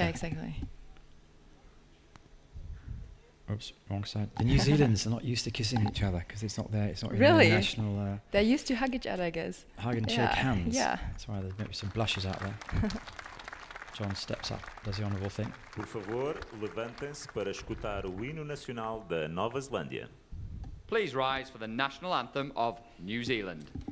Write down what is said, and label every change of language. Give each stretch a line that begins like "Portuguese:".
English: Yeah, exactly. Oops, wrong side. The New Zealanders are not used to kissing each other because it's not there. It's not really in the national. They're used to hug each other, I guess. Hug and shake hands. Yeah. That's why there's maybe some blushes out there. John steps up, does the honourable thing.
Portuguese: Por favor, levantem-se para escutar o hino nacional da Nova Zelândia.
English: Please rise for the national anthem of New Zealand.